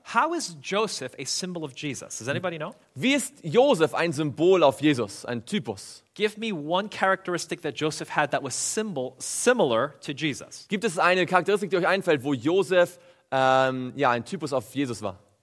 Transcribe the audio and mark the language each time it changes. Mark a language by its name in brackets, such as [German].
[English] How is Joseph a symbol of Jesus? Does anybody know? [German] Wie ist Joseph ein Symbol auf Jesus, ein Typus? [English] Give me one characteristic that Joseph had that was similar to Jesus. [German] Gibt es eine Charakteristik, die euch einfällt, wo Joseph ein Typus auf Jesus war?